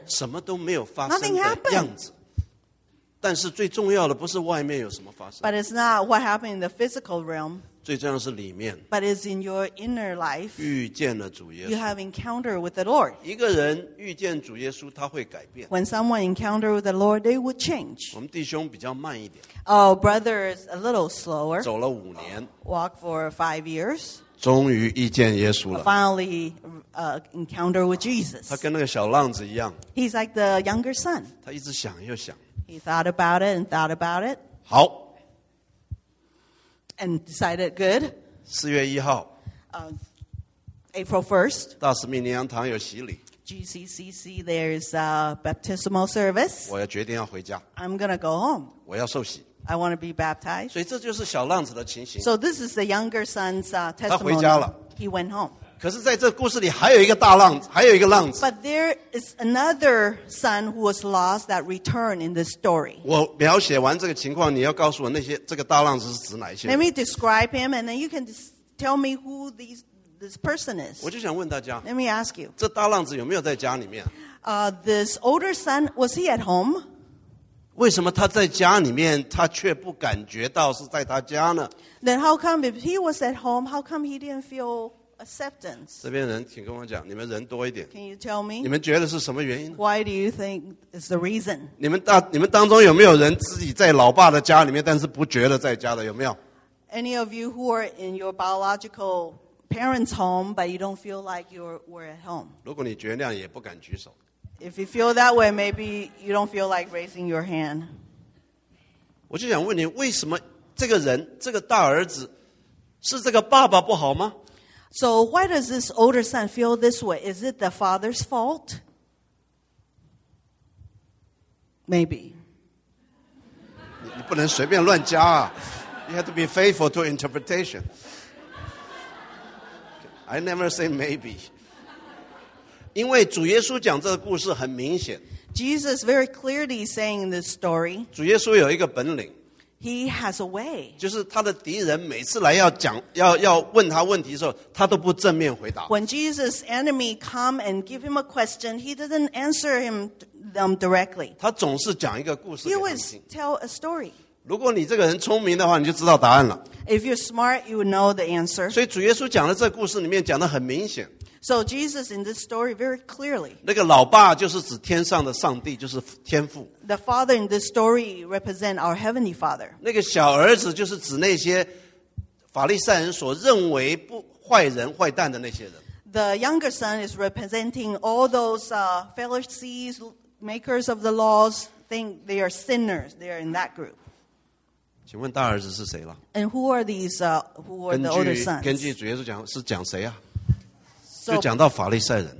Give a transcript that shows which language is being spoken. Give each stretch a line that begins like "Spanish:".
Chinese: 什么都没有发生的样子。但是最重要的不是外面有什么发生。
English: But it's not what happened in the physical realm.
Chinese: 最重要的是里面。
English: But it's in your inner life.
Chinese: 遇见了主耶稣。
English: You have encounter with the Lord.
Chinese: 一个人遇见主耶稣，他会改变。
English: When someone encounter with the Lord, they would change.
Chinese: 我们弟兄比较慢一点。
English: Oh, brothers a little slower.
Chinese: 走了五年。
English: Walk for 5 years.
Chinese: 终于遇见耶稣了。
English: Finally, encounter with Jesus.
Chinese: 他跟那个小浪子一样。
English: He's like the younger son.
Chinese: 他一直想又想。
English: He thought about it and thought about it.
Chinese: 好
English: And decided good.
Chinese: 4月1号
English: April 1st.
Chinese: 大使命灵粮堂有洗礼
English: GCCC, there is a baptismal service.
Chinese: 我要决定要回家
English: I'm going to go home.
Chinese: 我要受洗
English: I want to be baptized.
Chinese: 所以这就是小浪子的情形
English: So this is the younger son's testimony.
Chinese: 他回家了
English: He went home.
Chinese: 可是在这故事里还有一个大浪子还有一个浪子
English: But there is another son who was lost that returned in this story.
Chinese: 我描写完这个情况你要告诉我那些这个大浪子是指哪一些
English: Let me describe him and then you can tell me who this person is.
Chinese: 我就想问大家
English: Let me ask you.
Chinese: 这大浪子有没有在家里面
English: This older son, was he at home?
Chinese: 为什么他在家里面他却不感觉到是在他家呢
English: Then how come if he was at home, how come he didn't feel... Acceptance.
Chinese: 这边人请跟我讲你们人多一点
English: Can you tell me?
Chinese: 你们觉得是什么原因呢
English: Why do you think it's the reason?
Chinese: 你们当中有没有人自己在老爸的家里面但是不觉得在家的有没有
English: Any of you who are in your biological parents' home but you don't feel like you were at home?
Chinese: 如果你觉得那样也不敢举手
English: If you feel that way, maybe you don't feel like raising your hand.
Chinese: 我就想问你为什么这个人这个大儿子是这个爸爸不好吗
English: So why does this older son feel this way? Is it the father's fault? Maybe.
Chinese: 你不能随便乱加啊。
English: You have to be faithful to interpretation. I never say maybe.
Chinese: 因为主耶稣讲这个故事很明显。
English: Jesus very clearly saying this story.
Chinese: 主耶稣有一个本领。
English: He has a way.
Chinese: 就是他的敌人每次来要讲要问他问题的时候他都不正面回答。
English: When Jesus' enemy come and give him a question, he doesn't answer them directly.
Chinese: 他总是讲一个故事给他们听。
English: He always tell a story.
Chinese: 如果你这个人聪明的话你就知道答案了。
English: If you're smart, you know the answer.
Chinese: 所以主耶稣讲的这故事里面讲得很明显。
English: So Jesus in this story very clearly.
Chinese: 那个老爸就是指天上的上帝就是天父。
English: The father in this story represents our heavenly father.
Chinese: 那个小儿子就是指那些法利赛人所认为不坏人坏蛋的那些人。
English: The younger son is representing all those Pharisees, makers of the laws, think they are sinners. They are in that group.
Chinese: 请问大儿子是谁了?
English: And who are these, who are the older sons?
Chinese: 根据主耶稣讲是讲谁啊?就讲到法利赛人。